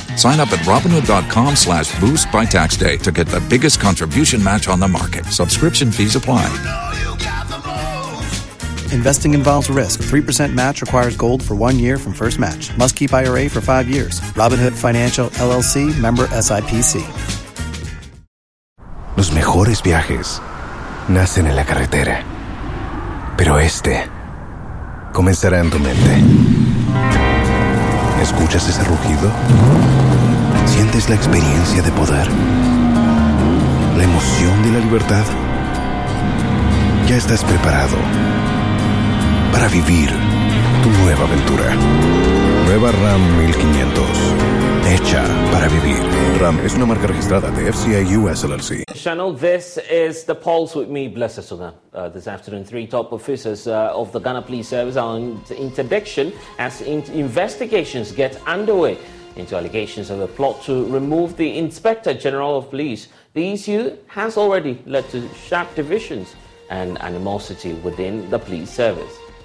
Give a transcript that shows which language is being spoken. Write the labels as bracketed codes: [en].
[en] Sign up at Robinhood.com/boost by tax day to get the biggest contribution match on the market. Subscription fees apply. You know you got the most. Investing involves risk. 3% match requires gold for 1 year from first match. Must keep IRA for 5 years. Robinhood Financial LLC, member SIPC. [es] Los mejores viajes nacen en la carretera, pero este comenzará en tu mente. ¿Escuchas ese rugido? ¿Sientes la experiencia de poder? ¿La emoción de la libertad? Ya estás preparado para vivir tu nueva aventura. Nueva Ram 1500. Hecha para vivir. Ram es una marca registrada de FCA US LLC. [en] Channel, this is The Pulse with me, Blessed Sudan. This afternoon, three top officers of the Ghana Police Service are on interdiction as investigations get underway into allegations of a plot to remove the Inspector General of Police. The issue has already led to sharp divisions and animosity within the police service.